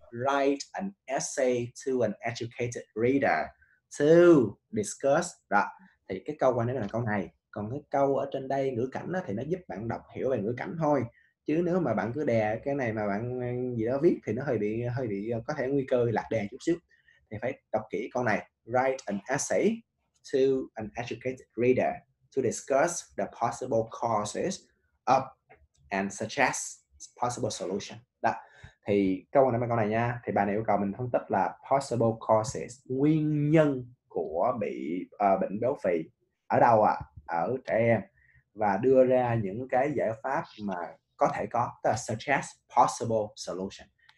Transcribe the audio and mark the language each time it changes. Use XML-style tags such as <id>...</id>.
<en>Write an essay to an educated reader to discuss.</en> <vi>Đó. Thì cái câu quan trọng là câu này. Còn cái câu ở trên đây ngữ cảnh đó, thì nó giúp bạn đọc hiểu về ngữ cảnh thôi. Chứ nếu mà bạn cứ đè cái này mà bạn gì đó viết thì nó hơi bị có thể nguy cơ lạc đề chút xíu. Thì phải đọc kỹ câu này.</vi> <en>Write an essay to an educated reader to discuss the possible causes of and suggest possible solution.</en> <vi>Đó. Thì câu này mấy câu này nha, thì bà này yêu cầu mình phân tích là possible causes, nguyên nhân của bị bệnh béo phì ở đâu ạ? Ở trẻ em, và đưa ra những cái giải pháp mà có thể có, tức là</vi> <en>suggest possible solution.</en>